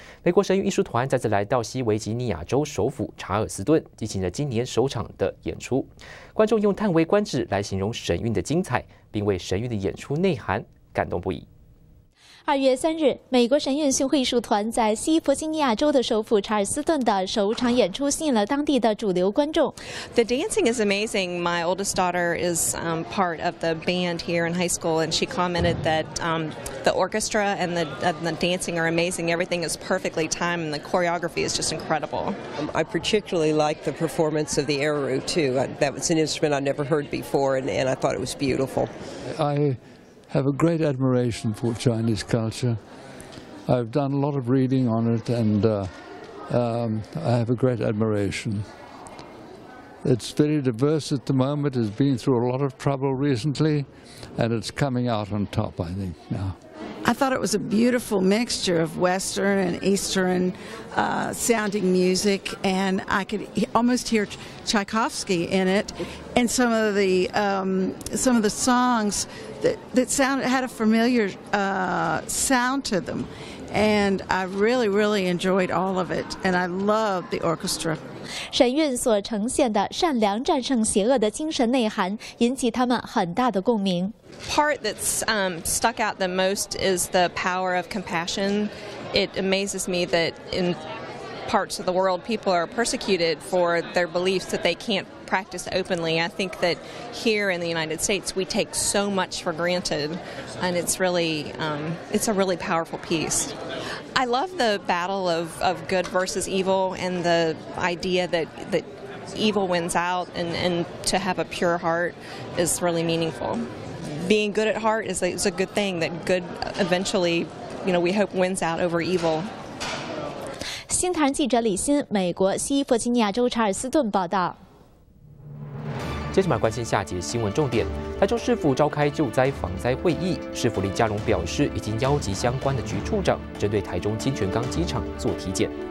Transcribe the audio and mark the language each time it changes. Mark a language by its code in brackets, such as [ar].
[zh] 美国神韵艺术团再次来到西维吉尼亚州首府查尔斯顿，进行了今年首场的演出。观众用叹为观止来形容神韵的精彩，并为神韵的演出内涵感动不已。 2月3日，美国神韵巡回艺术团在西弗吉尼亚州的首府查尔斯顿的首场演出吸引了当地的主流观众。 [en] The dancing is amazing. My oldest daughter is part of the band here in high school, and she commented that the orchestra and the dancing are amazing. Everything is perfectly timed, and the choreography is just incredible. I particularly like the performance of the Eruru too. That was an instrument I never heard before, and I thought it was beautiful. I have a great admiration for Chinese culture. I've done a lot of reading on it, and I have a great admiration. It's very diverse at the moment. It's been through a lot of trouble recently, and it's coming out on top, I think, now. I thought it was a beautiful mixture of Western and Eastern sounding music, and I could almost hear Tchaikovsky in it, and some of the songs that had a familiar sound to them, and I really, really enjoyed all of it, and I love the orchestra. [zh] 神韵所呈现的善良战胜邪恶的精神内涵引起他们很大的共鸣。 [en] Part that's stuck out the most is the power of compassion. It amazes me that in parts of the world people are persecuted for their beliefs that they can't practice openly. I think that here in the United States we take so much for granted, and it's really it's a really powerful piece. I love the battle of good versus evil, and the idea that evil wins out, and to have a pure heart is really meaningful. Being good at heart is a good thing, that good eventually, you know, we hope wins out over evil. [zh] 新唐记者李欣，美国西弗吉尼亚州查尔斯顿报道。接着我们关心下节新闻重点。台中市府召开救灾防灾会议，市府林佳龙表示已经邀集相关的局处长针对台中清泉岗机场做体检。